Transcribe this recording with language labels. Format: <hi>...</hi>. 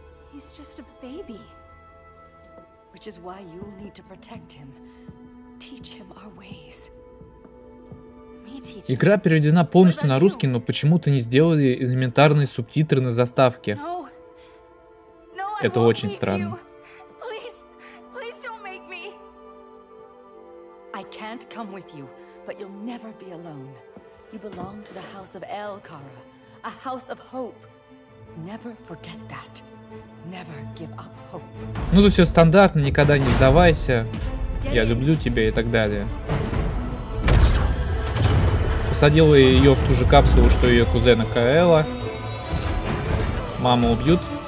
<en>He's just a baby, which is why you'll need to protect him, teach him our ways.</en> <ru>Игра переведена полностью на русский, но почему-то не сделали элементарные субтитры на заставке. Это очень странно.</ru> <en>Please don't make me. I can't come with you, but you'll never be alone. You belong to the house of El, Kara, a house of hope. Never forget that. Never give up hope.</en> <ru>Ну тут все стандартно, никогда не сдавайся. Я люблю тебя и так далее. Посадила ее в ту же капсулу, что ее кузена Каэла. Мама убьют.</ru>